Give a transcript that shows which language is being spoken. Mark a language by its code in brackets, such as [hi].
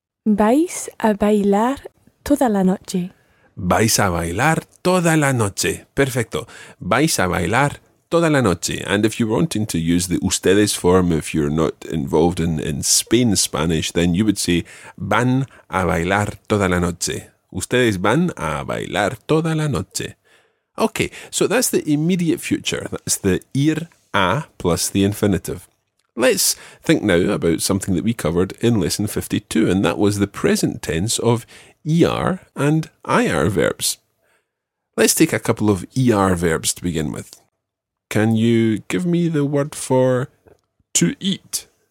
[es] Vais a bailar toda la noche. Vais a bailar toda la noche. Perfecto. Vais a bailar toda la noche. [en] And if you're wanting to use the ustedes form, if you're not involved in Spain Spanish, then you would say, [es] van a bailar toda la noche. Ustedes van a bailar toda la noche. [en] Okay, so that's the immediate future. That's the ir a plus the infinitive. Let's think now about something that we covered in lesson 52, and that was the present tense of er and ir verbs. Let's take a couple of er verbs to begin with. Can you give me the word for to eat?